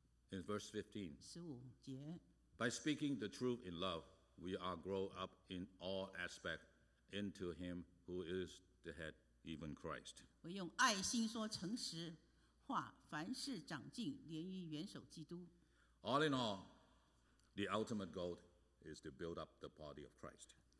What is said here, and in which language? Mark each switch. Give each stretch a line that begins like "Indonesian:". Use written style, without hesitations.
English: In verse 15,
Chinese: 15节,
English: by speaking the truth in love, we are grown up in all aspects into him who is the head, even Christ.
Chinese: 我用爱心说诚实话，凡事长进，连于元首基督。
English: All in all, the ultimate goal is to build up the body of Christ.